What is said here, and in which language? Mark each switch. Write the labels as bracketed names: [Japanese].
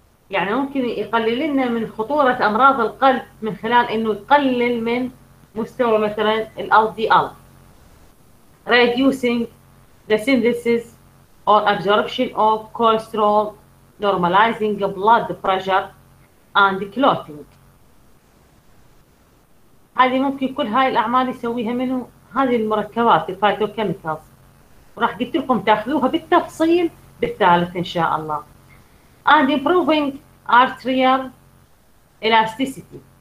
[Arabic] يعني ممكن يقلل لنا من خطورة أمراض القلب من خلال إنه يقلل من مستوى مثلا ال LDL. [English] Reducing the synthesis or absorption of cholesterol, normalizing blood pressure and clotting. [Arabic] هذه ممكن كل هاي الاعمال يسويها منه هذه المركبات الفايتوكيميكالز، وراح قلت لكم تاخذوها بالتفصيل بالثالث ان شاء الله. [English] And improving arterial elasticity.